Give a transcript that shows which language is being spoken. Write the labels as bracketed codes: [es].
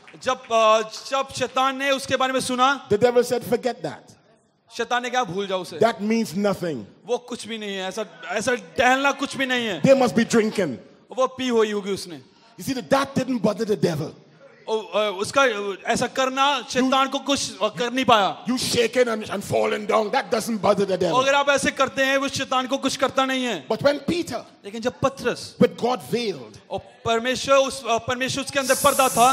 [hi] जब शैतान ने उसके बारे में सुना. [en] The devil said, forget that. [hi] शैतान ने कहा भूल जाओ उसे. [en] That means nothing. [hi] वो कुछ भी नहीं है. ऐसा टहलना कुछ भी नहीं है. [en] They must be drinking. [hi] वो पी हुई होगी उसने. [en] You see, that didn't bother the devil. [hi] उसका ऐसा करना शैतान को कुछ कर नहीं पाया. [en] You shaking and falling down, that doesn't bother the devil. [hi] अगर आप ऐसे करते हैं वो शैतान को कुछ करता नहीं है. [en] But when Peter, [hi] लेकिन जब पत्रस, [en] with God veiled, [hi] और परमेश्वर उसके अंदर पर्दा था,